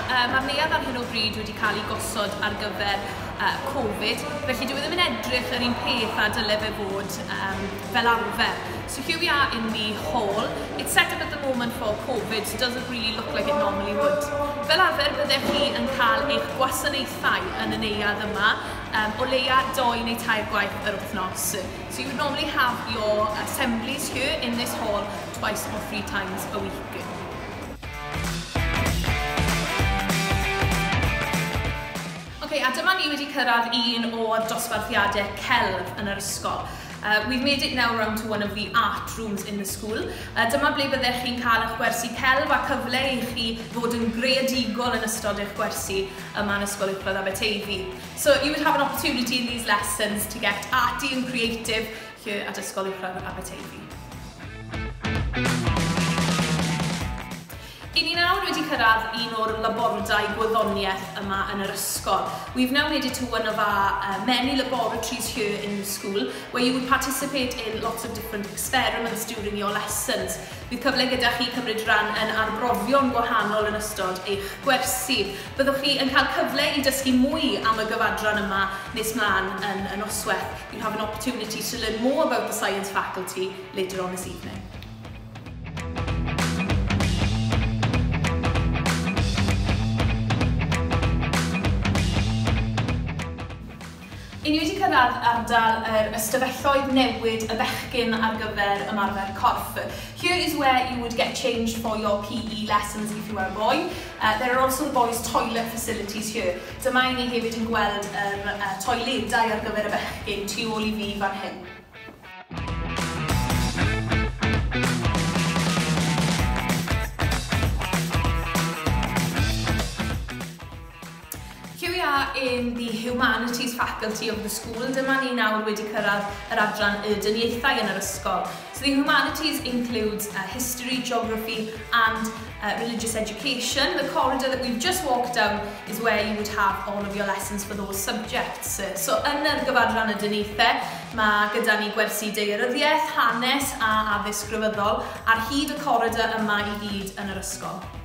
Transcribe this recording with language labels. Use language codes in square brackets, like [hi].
[cy] Mae'r neuad ar hyn o bryd wedi cael ei gosod ar gyfer Covid, felly dwi ddim yn edrych yr un peth a dylai fe fod fel arfer. [en] So here we are in the hall. It's set up at the moment for Covid, so it doesn't really look like it normally would. [cy] Fel arfer, byddech chi yn cael eich gwasanaethau yn y neuad yma o leia 2 neu 3 gwaith yr wythnos. [en] So you would normally have your assemblies here in this hall twice or 3 times a week. [cy] A dyma ni wedi cyrraedd un o'r dosbarthiadau celf yn yr ysgol. [en] We've made it now round to one of the art rooms in the school. [cy] Dyma ble byddech chi'n cael eich gwersi celf a cyfle I chi fod yn greadigol yn ystod eich gwersi yma yn Ysgol Uwchradd Aberteifi. [en] So you would have an opportunity in these lessons to get arty and creative here at Ysgol Uwchradd Aberteifi. [cy] I ni nawr wedi cyrraedd un o'r labordau gwyddoniaeth yma yn yr ysgol. [en] We've now made it to one of our many laboratories here in the school where you would participate in lots of different experiments during your lessons. [cy] Bydd cyfle gyda chi cymryd rhan yn arbrofion gwahanol yn ystod eich gwersi. Byddwch chi yn cael cyfle I dysgu mwy am y gyfadran yma nes mlaen yn y noswaith. [en] You'll have an opportunity to learn more about the science faculty later on this evening. [cy] I ni wedi cyrraedd ardal yr ystafelloedd newid y bechgyn ar gyfer ymarfer corff. [en] Here is where you would get changed for your PE lessons if you were a boy. There are also the boys' toilet facilities here. [cy] Dyma I ni hefyd yn gweld yr toiledau ar gyfer y bechgyn tu ôl I fi fan hyn. [en] In the humanities faculty of the school, [cy] dyma ni nawr wedi cyrraedd yr adran y dyniaethau yn yr ysgol. [en] So the humanities includes history, geography and religious education. The corridor that we've just walked down is where you would have all of your lessons for those subjects. [cy] So yn yr gyfadran y dyniaethau, mae gyda ni gwersi daearyddiaeth, hanes a addysg grefyddol ar hyd y corridor yma I gyd yn yr ysgol.